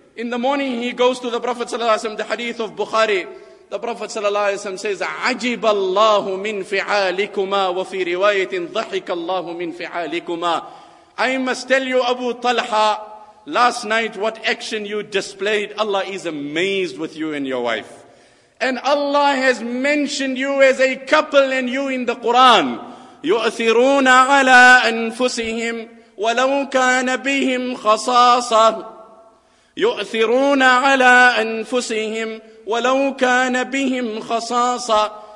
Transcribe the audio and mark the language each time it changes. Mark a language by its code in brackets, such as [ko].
[en] In the morning he goes to the Prophet ﷺ, the hadith of Bukhari. The Prophet ﷺ says, [ar] عَجِبَ اللَّهُ مِنْ فِعَالِكُمَا وَفِي رِوَايَةٍ ضَحِكَ اللَّهُ مِنْ فِعَالِكُمَا. [en] I must tell you, Abu Talha, last night what action you displayed, Allah is amazed with you and your wife. And Allah has mentioned you as a couple and you in the Quran. [ar] يُؤْثِرُونَ عَلَىٰ أَنفُسِهِمْ وَلَوْ كَانَ بِهِمْ خَصَاصَةٌ يُؤْثِرُونَ عَلَىٰ أَنفُسِهِمْ وَلَوْ كَانَ بِهِمْ خَصَاصَةٌ.